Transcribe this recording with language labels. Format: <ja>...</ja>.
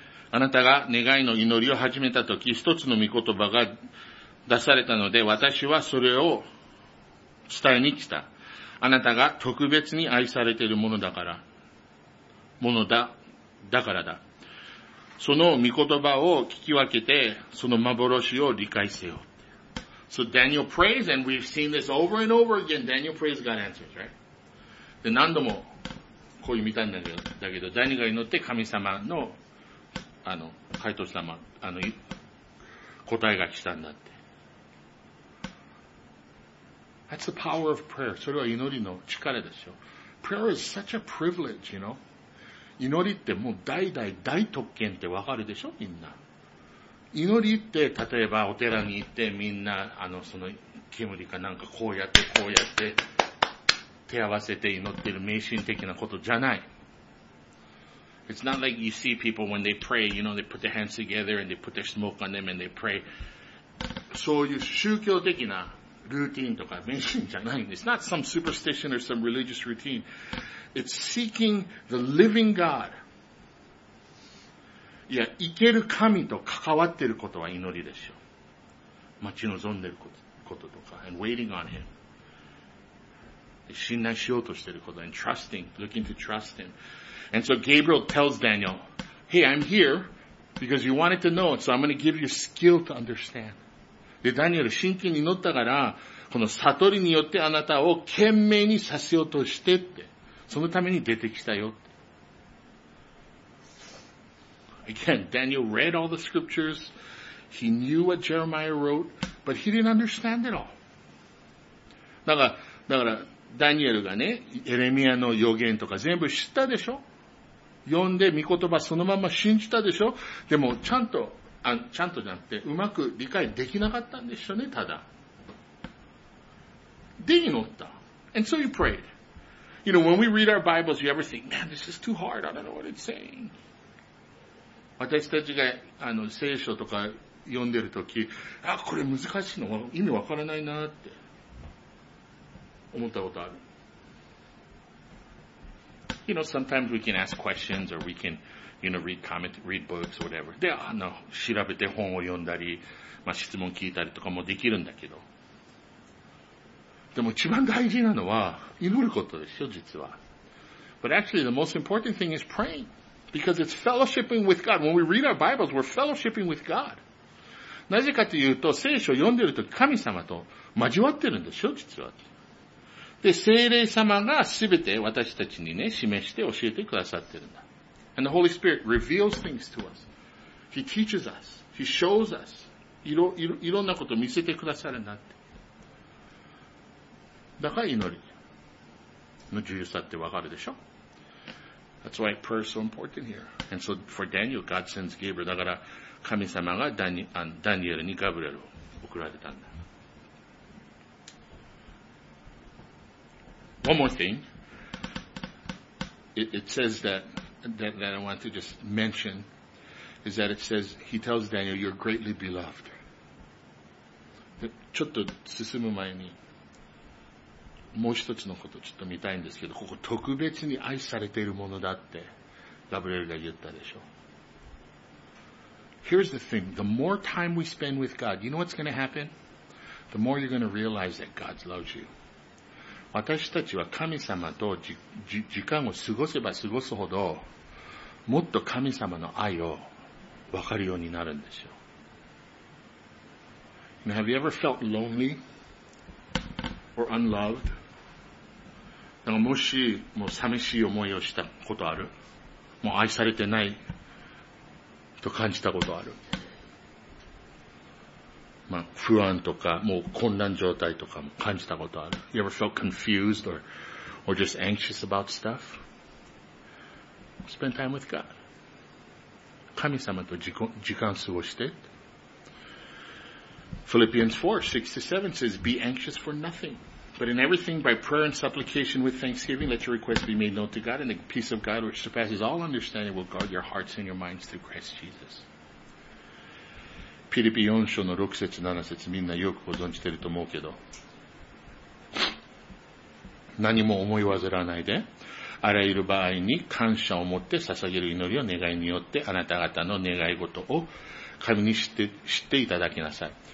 <ja>あなたが願いの祈りを始めたとき、一つの御言葉が出されたので、私はそれを伝えに来た。あなたが特別に愛されているものだからだ。その御言葉を聞き分けて、その幻を理解せよ。</ja> <en>So Daniel prays, and we've seen this over and over again. Daniel prays, God answers, right?</en> <ja>で、何度もこういう見たんだけど、ダニエルが祈って神様のあの、回答したま、あの、答えが来たんだって。</ja> <en>That's the power of prayer.</en> <ja>それは祈りの力でしょ。</ja> <en>Prayer is such a privilege, you know.</en> <ja>祈りってもう代々大特権ってわかるでしょ、みんな。祈りって、例えばお寺に行ってみんな、あの、その煙かなんかこうやって、手合わせて祈ってる迷信的なことじゃない。</ja> <en>It's not like you see people when they pray, you know, they put their hands together and they put their smoke on them and they pray.</en> <ja>そういう宗教的なルーティンとか迷信じゃない。</ja> <en>It's not some superstition or some religious routine. It's seeking the living God.</en> <ja>いや、生ける神と関わってることは祈りでしょ。待ち望んでることとか、</ja> <en>and waiting on him.</en> <ja>信頼しようとしてること、</ja> <en>and trusting, looking to trust him. And so Gabriel tells Daniel, hey, I'm here because you wanted to know it, so I'm going to give you skill to understand.</en> <ja>で、ダニエル真剣に祈ったから、この悟りによってあなたを賢明にさせようとしてって、そのために出てきたよって。</ja> <en>Again, Daniel read all the scriptures. He knew what Jeremiah wrote, but he didn't understand it all.</en> <ja>だから、ダニエルがね、エレミアの予言とか全部知ったでしょ？読んで御言葉そのまま信じたでしょ？でも、ちゃんとじゃなくて、うまく理解できなかったんでしょうね、ただ。で、祈った。</ja> <en>And so you prayed. You know, when we read our Bibles, you ever think, man, this is too hard. I don't know what it's saying.</en> <ja>私たちが、聖書とか読んでるとき、あ、これ難しいの、意味わからないなって、思ったことある。</ja> <en>You know, sometimes we can ask questions or we can, you know, read comments, read books, whatever.</en> <ja>で、調べて本を読んだり、まあ、質問聞いたりとかもできるんだけど。でも一番大事なのは、祈ることですよ、実は。</ja> <en>But actually the most important thing is praying. Because it's fellowshipping with God. When we read our Bibles, we're fellowshipping with God.</en> <ja>なぜかというと、聖書を読んでいると神様と交わってるんでしょ、実は。で、聖霊様がすべて私たちにね、示して教えてくださってるんだ。</ja> <en>And the Holy Spirit reveals things to us. He teaches us. He shows us.</en> <ja>いろんなことを見せてくださるんだって。だから祈りの重要さってわかるでしょ。</ja> <en>That's why prayer is so important here. And so for Daniel, God sends Gabriel.</en> <ja>だから神様がダニエルにガブリエルを送られたんだ。</ja> <en>One more thing. It says that I want to just mention is that it says, he tells Daniel, you're greatly beloved.</en> <ja>ちょっと進む前に。もう一つのことちょっと見たいんですけど、ここ特別に愛されているものだって、ガブリエルが言ったでしょ。</ja> <en>Here's the thing. The more time we spend with God, you know what's going to happen? The more you're going to realize that God loves you.</en> <ja>私たちは神様と時間を過ごせば過ごすほど、もっと神様の愛を分かるようになるんですよ。</ja> <en>Now, have you ever felt lonely? Or unloved.</en> <ja>だからもし、もう寂しい思いをしたことある。もう愛されてないと感じたことある。まあ、不安とか、もう混乱状態とかも感じたことある。</ja> <en>You ever felt confused or just anxious about stuff? Spend time with God.</en> <ja>神様と時間過ごして。</ja> <en>Philippians 4:6-7 says, Be anxious for nothing. But in everything, by prayer and supplication with thanksgiving, let your requests be made known to God, and the peace of God, which surpasses all understanding, will guard your hearts and your minds through Christ Jesus.</en> <ja>ピリピ4章の6節7節みんなよくご存じてると思うけど、何も思い煩わないで、あらゆる場合に感謝を持って捧げる祈りを願いによって、あなた方の願い事を神に知っていただきなさい。</ja>